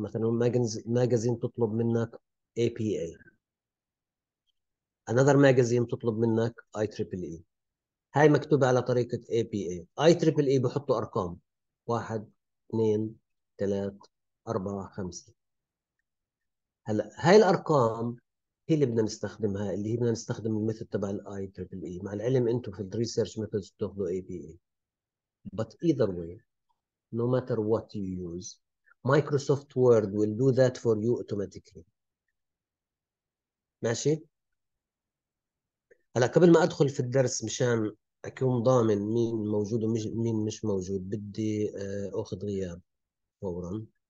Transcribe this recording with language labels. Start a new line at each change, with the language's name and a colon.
Arabic: مثلا ماجازين تطلب منك اي بي اي، انذر ماجازين تطلب منك اي تريبل اي. هاي مكتوبه على طريقه اي بي اي. اي تريبل اي بحطوا ارقام 1 2 3 4 5. هلا هاي الارقام هي اللي بدنا نستخدمها، اللي هي بدنا نستخدم الميثود تبع الاي تريبل اي. مع العلم انتم في الريسيرش ميثودز بتاخذوا اي بي اي،
English: but either way no matter what you use Microsoft Word will do that for you automatically.
Arabic: ماشي. هلا قبل ما ادخل في الدرس مشان اكون ضامن مين موجود ومين مش موجود، بدي اخذ غياب فورا.